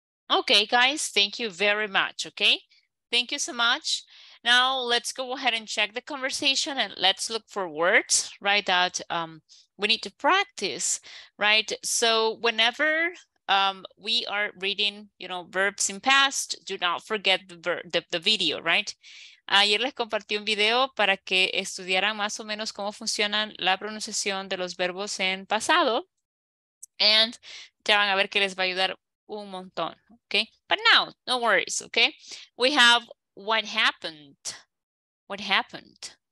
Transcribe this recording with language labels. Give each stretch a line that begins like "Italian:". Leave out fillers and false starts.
English: Okay, guys, thank you very much, okay? Thank you so much. Now let's go ahead and check the conversation and let's look for words, right, that we need to practice, right? So whenever we are reading, you know, verbs in past, do not forget the video, right?
Spanish: Ayer les compartí un video para que estudiaran más o menos cómo funcionan la pronunciación de los verbos en pasado. And ya van a ver que les va a ayudar un montón, okay?
English: But now, no worries, okay? We have what happened. What happened?